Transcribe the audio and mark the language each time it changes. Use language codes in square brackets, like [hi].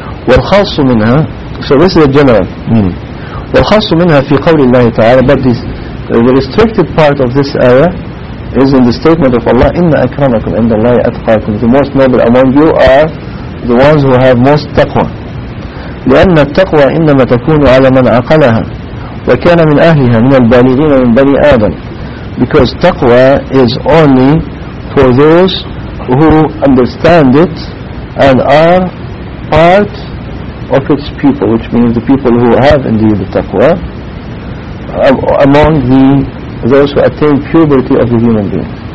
[ar] وَالْخَاصُ مِنْهَا, [en] so this is a general meaning. [ar] وَالْخَاصُ مِنْهَا فِي قَوْلِ اللَّهِ تَعَالَى, [en] but the restricted part of this ayah is in the statement of Allah, [ar] إِنَّ أَكْرَمَكُمْ عِنْدَ اللَّهِ أَتْقَاكُمْ, [en] the most noble among you are the ones who have most taqwa. [ar] لِأَنَّ التَّقْوَى إِنَّمَا تَكُونُ عَلَى مَنْ عَقَلَهَا وكان من أهلها من البالغين من بني آدم. [en] Because taqwa is only for those who understand it and are part of its people, which means the people who have indeed the taqwa, among those who attain puberty of the human being.